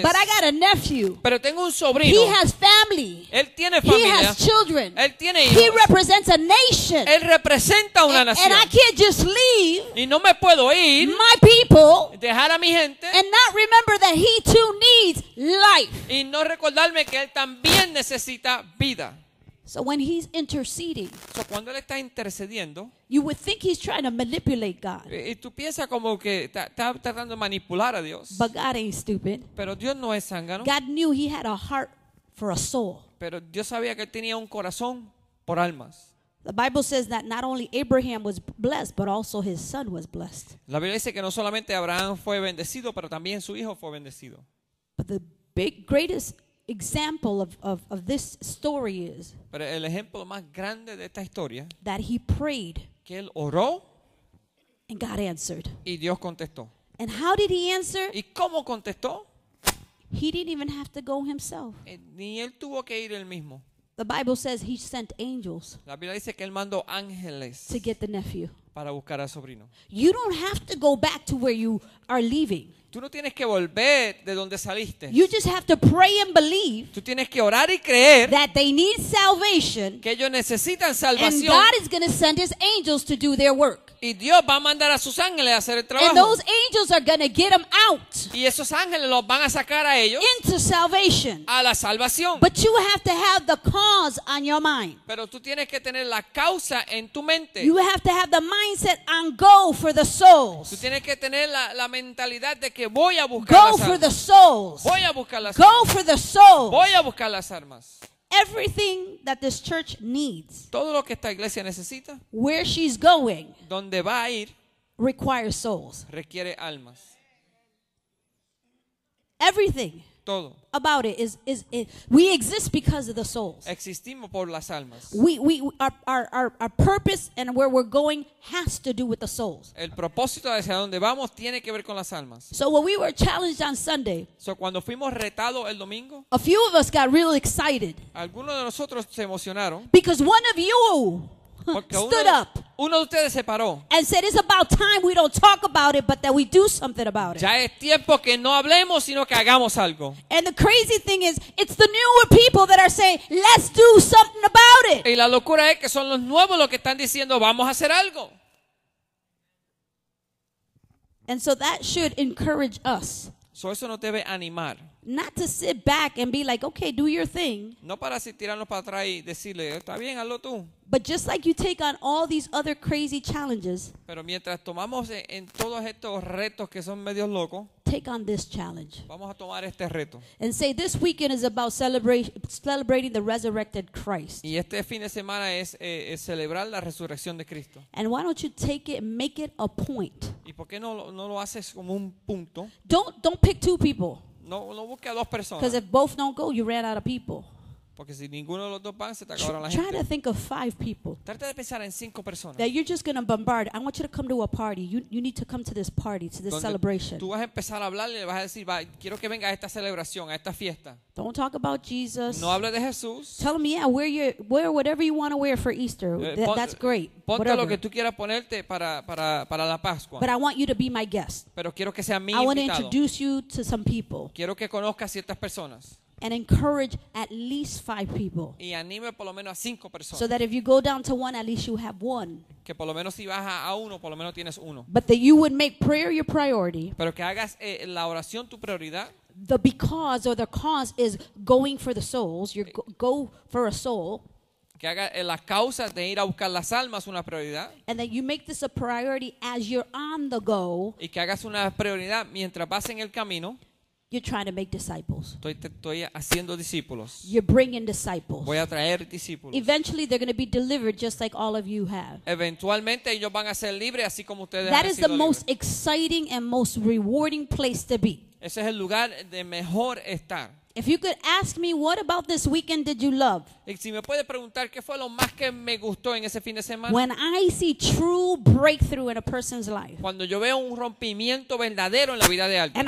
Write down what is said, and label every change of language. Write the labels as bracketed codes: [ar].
[en] But I got a nephew. [es] Pero tengo un sobrino. [en] He has family. [es] Él tiene familia. [en] He has children. [es] Él tiene hijos. [en] He represents a nation. [es] Él representa una [en] and, [es] nación. [en] And I can't just leave. [es] Y no me puedo ir. [en] My people. [es] Dejar a mi gente. [en] And not remember that he too needs life. [es] Y no recordarme que él también necesita vida. [en] So when he's interceding, [es] so cuando él está intercediendo, [en] you would think he's trying to manipulate God. [es] Y tú piensas como que está tratando de manipular a Dios. [en] But God ain't stupid. [es] Pero Dios no es zángano. [en] God knew he had a heart for a soul. [es] Pero Dios sabía que tenía un corazón por almas. [en] The Bible says that not only Abraham was blessed, but also his son was blessed. [es] La Biblia dice que no solamente Abraham fue bendecido, pero también su hijo fue bendecido. [en] But the greatest example of this story is [es] pero el ejemplo más grande de esta historia, [en] that he prayed [es] que él oró, [en] and God answered. [es] Y Dios contestó. [en] And how did he answer? [es] ¿Y cómo contestó? [en] He didn't even have to go himself. [es] Ni él tuvo que ir él mismo. [en] The Bible says he sent angels. [es] La Biblia dice que él mandó ángeles [en] to get the nephew. [es] Para buscar al sobrino. [en] You don't have to go back to where you are leaving. [es] Tú no tienes que volver de donde saliste. [en] You just have to pray and believe. [es] Tú tienes que orar y creer. [en] That they need salvation. [es] Que ellos necesitan salvación. [en] And God is going to send his angels to do their work. [es] Y Dios va a mandar a sus ángeles a hacer el trabajo. [en] And those angels are going to get them out. [es] Y esos ángeles los van a sacar a ellos. [en] Into salvation. [es] A la salvación. [en] But you have to have the cause on your mind. [es] Pero tú tienes que tener la causa en tu mente. [en] You have to have the mindset on go for the souls. [es] Tú tienes que tener la mentalidad de que voy a buscar [en] go [es] las [en] for [es] armas. [en] The souls. [es] Voy a buscar las [en] go [es] armas. [en] For the souls. [es] Voy a buscar las armas. [en] Everything that this church needs. [es] Todo lo que esta iglesia necesita. [en] Where she's going. [es] Donde va a ir. [en] Requires souls. [es] Requiere almas. [en] Everything. [es] Todo. [en] About it is we exist because of the souls. [es] Existimos por las almas. [en] Our purpose and where we're going has to do with the souls. [es] El propósito hacia donde vamos tiene que ver con las almas. [en] So when we were challenged on Sunday, [es] so cuando fuimos retado el domingo, [en] a few of us got really excited. [es] Algunos de nosotros se emocionaron. [en] Because one of you stood up. [es] Uno de ustedes se paró. [en] And said it's about time we don't talk about it, but that we do something about it. [es] Ya es tiempo que no hablemos, sino que hagamos algo. [en] And the crazy thing is, it's the newer people that are saying, let's do something about it. [es] Y la locura es que son los nuevos los que están diciendo, vamos a hacer algo. [en] And so that should encourage us. [es] So eso nos debe animar. [en] Not to sit back and be like, okay, do your thing. [es] No para así tirarnos para atrás y decirle, está bien, hazlo tú. [en] But just like you take on all these other crazy challenges. [es] Pero mientras tomamos en todos estos retos que son medios locos. [en] Take on this challenge. [es] Vamos a tomar este reto. [en] And say this weekend is about celebrating the resurrected Christ. [es] Y este fin de semana es celebrar la resurrección de Cristo. [en] And why don't you take it, make it a point? [es] ¿Y por qué no lo haces como un punto? [en] Don't pick two people. [es] No busque a dos personas. [en] Because if both don't go, you ran out of people. [es] Porque si ninguno de los dos van, se te acabaron la gente. [en] Try to think of five people. [es] Trata de pensar en cinco personas. [en] That you're just going to bombard. I want you to come to a party. You need to come to this party, to this celebration. [es] Tú vas a empezar a hablarle y le vas a decir, va, quiero que venga a esta celebración, a esta fiesta. [en] Don't talk about Jesus. [es] No hable de Jesús. [en] Tell him, yeah, wear whatever you want to wear for Easter. That's great. [es] Ponte [en] whatever. [es] Lo que tú quieras ponerte para la Pascua. [en] But I want you to be my guest. [es] Pero quiero que sea mi invitado. [en] I want to introduce you to some people. [es] Quiero que conozca a ciertas personas. [en] And encourage at least five people. [es] Y anime por lo menos a cinco personas. [en] So that if you go down to one, at least you have one. [es] Que por lo menos si bajas a uno, por lo menos tienes uno. [en] But that you would make prayer your priority. [es] Pero que hagas la oración tu prioridad. [en] The because or the cause is going for the souls. You go for a soul. [es] Que haga la causa de ir a buscar las almas una prioridad. [en] And that you make this a priority as you're on the go. [es] Y que hagas una prioridad mientras vas en el camino. [en] You're trying to make disciples. [es] Estoy haciendo discípulos. [en] You're bringing disciples. [es] Voy a traer discípulos. [en] Eventually, they're going to be delivered just like all of you have. [es] Eventualmente, ellos van a ser libres así como ustedes. [en] That is the most [es] libres. [en] Exciting and most rewarding place to be. [es] Ese es el lugar de mejor estar. [en] If you could ask me, what about this weekend did you love? [es] Si me puede preguntar qué fue lo más que me gustó en ese fin de semana. [en] When I see true breakthrough in a person's life. [es] Cuando yo veo un rompimiento verdadero en la vida de alguien.